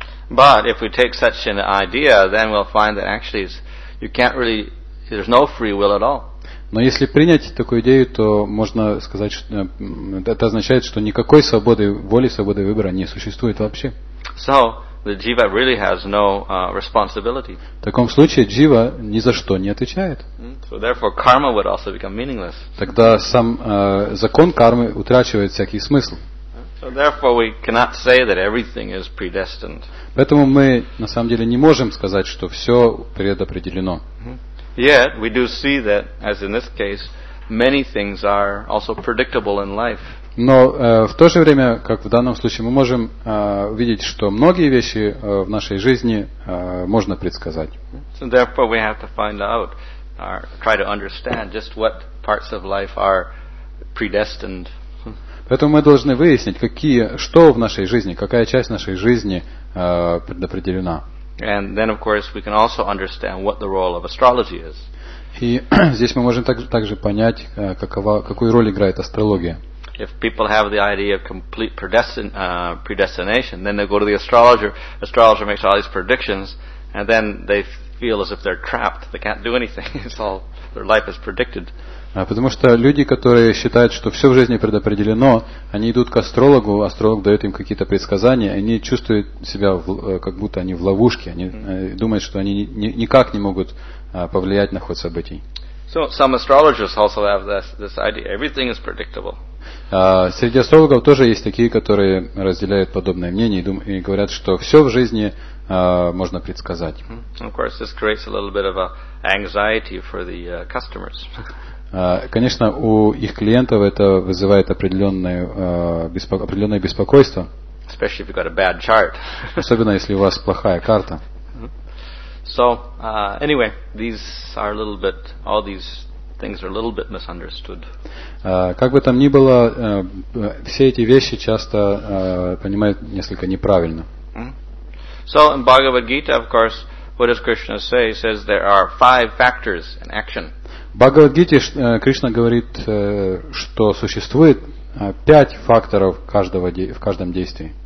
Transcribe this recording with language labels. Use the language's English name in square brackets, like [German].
[English] But if we take such an idea, then we'll find that actually you can't really, there's no free will at all. [Russian] Но если принять такую идею, то можно сказать, что это означает, что никакой свободы воли, свободы выбора не существует вообще. [English] So the jiva really has no responsibility. [Russian] В таком случае джива ни за что не отвечает. [English] So therefore karma would also become meaningless. [Russian] Тогда сам закон кармы утрачивает всякий смысл. [English] So therefore we cannot say that everything is predestined. [Russian] Поэтому мы на самом деле не можем сказать, что все предопределено. [English] Yet we do see that, as in this case, many things are also predictable in life. [Russian] Но в то же время, как в данном случае, мы можем увидеть, что многие вещи в нашей жизни можно предсказать. [English] So therefore we have to find out or try to understand just what parts of life are predestined. [Russian] Поэтому мы должны выяснить, что в нашей жизни, какая часть нашей жизни предопределена. [English] And then, of course, we can also understand what the role of astrology is. [Russian] И здесь мы можем также понять, какую роль играет астрология. [English] If people have the idea of complete predestination, then they go to the astrologer. Astrologer makes all these predictions, and then they feel as if they're trapped. They can't do anything. It's all their life is predicted. [Russian] Потому что люди, которые считают, что все в жизни предопределено, они идут к астрологу, астролог дает им какие-то предсказания, они чувствуют себя, как будто они в ловушке, они думают, что они никак не могут повлиять на ход событий. [English] So some astrologers also have this idea, everything is predictable. [Russian] Среди астрологов тоже есть такие, которые разделяют подобное мнение и говорят, что все в жизни можно предсказать. [English] Of course, this creates a little bit of anxiety for the customers. [Russian] Конечно, у их клиентов это вызывает определенное беспокойство. [English] Especially if you've got a bad chart. [Russian] Особенно если у вас плохая карта. [English] So, anyway, these are a little bit, all these things are a little bit misunderstood. [Russian] Как бы там ни было, все эти вещи часто понимают несколько неправильно. [English] So, in Bhagavad Gita, of course, what does Krishna say? He says there are five factors in action. [Russian] В Бхагавад-гите Кришна говорит, что существует пять факторов в каждом действии.